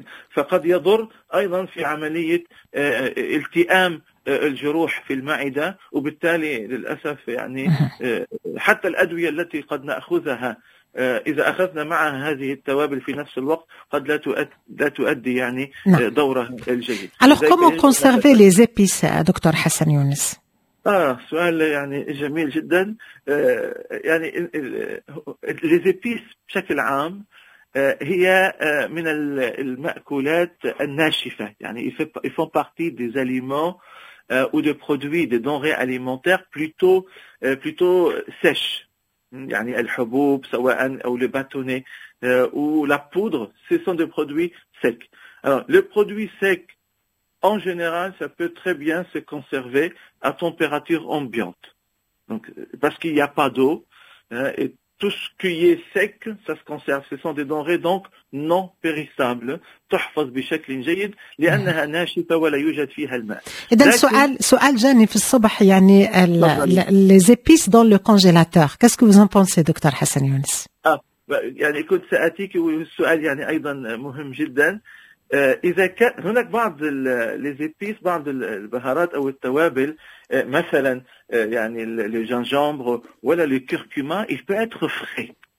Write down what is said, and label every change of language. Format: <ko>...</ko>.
<ar>فقد يضر أيضا في عملية التئام الجروح في المعدة، وبالتالي للأسف يعني حتى الأدوية التي قد نأخذها إذا أخذنا معها هذه التوابل في نفس الوقت قد لا تؤدي يعني دورها الجيد.</ar> <fr>alors comment conserver les épices docteur Hassan Younes؟</fr> <ar>سؤال يعني جميل جدا. يعني</ar> <fr>les épices</fr> <ar>بشكل عام هي من المأكولات الناشفة، يعني</ar> <fr>ils font partie des aliments ou de produits de denrées alimentaires plutôt sèches.</fr> <ar>يعني الحبوب سواء أو البطونة أو البودرة،</ar> <fr>ce sont des produits secs. Alors, le produit sec, en général, ça peut très bien se conserver à température ambiante. Donc, parce qu'il n'y a pas d'eau, et tout ce qui est sec, ça se conserve. Ce sont des denrées donc non périssables.</fr> <ar>تحفظ بشكل جيد لأنها ناشفة ولا يوجد فيها الماء. إذا سؤال جاني في الصبح، يعني</ar> <fr>les épices dans le congélateur. Qu'est-ce que vous en pensez, docteur Hassan Younes؟</fr> <ar>يعني كنت سأتيك السؤال يعني أيضا مهم جدا. إذا كان هناك بعض</ar> <fr>les épices،</fr> <ar>بعض البهارات أو التوابل، مثلا يعني</ar> <fr>le gingembre</fr> <ar>ولا</ar> <fr>le curcuma، il peut être frais.</fr>